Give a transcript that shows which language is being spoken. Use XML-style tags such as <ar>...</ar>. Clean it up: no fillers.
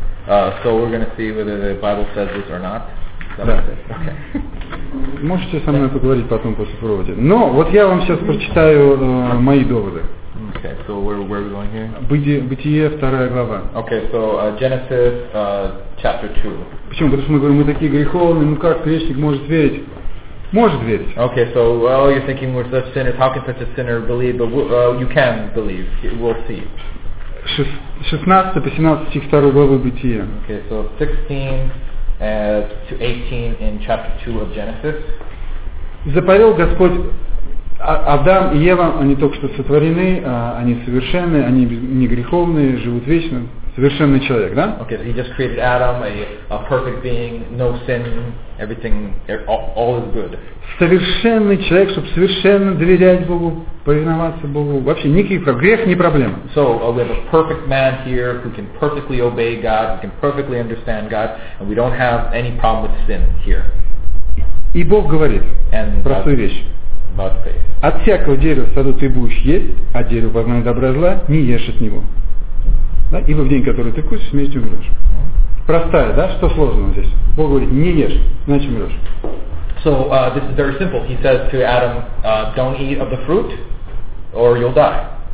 <en>So we're going to see whether the Bible says this or not.</en> <ru>Да.</ru> <en>Okay.</en> <ru>Можете со мной поговорить потом после проводи. Но вот я вам сейчас прочитаю мои доводы.</ru> <en>Okay, so where are we going here?</en> <ru>Бытие, вторая глава.</ru> <en>Okay, so Genesis chapter 2.</en> <ru>Почему? Потому что мы говорим, мы такие греховные, ну как грешник может верить? Может верить.</ru> <en>Okay, so well, you're thinking we're such sinners. How can such a sinner believe? But you can believe. We'll see.</en> <ru>16 по 17 стих 2 главы Бытия.</ru> <en>Okay, so 16 to 18 in chapter 2 of Genesis.</en> <ru>Заповел Господь Адам и Ева, они только что сотворены, они совершенны, они не греховные, живут вечно, совершенный человек, да?</ru> <en>Okay, so he just created Adam, a perfect being, no sin, everything, all is good.</en> <ru>Совершенный человек, чтобы совершенно доверять Богу, повиноваться Богу, вообще никаких проблем, грех не проблема.</ru> <en>So we have a perfect man here who can perfectly obey God, who can perfectly understand God, and we don't have any problem with sin here.</en> <ru>И Бог говорит простую вещь. От всякого дерева в саду ты будешь есть, а дерево познания добра и зла не ешь от него. Да? Ибо в день, который ты кушаешь, смертью умрешь. Простая, да? Что сложного здесь? Бог говорит, не ешь, иначе умрешь.</ru> <en>So this is very simple. He says to Adam, don't eat of the fruit, or you'll die.</en>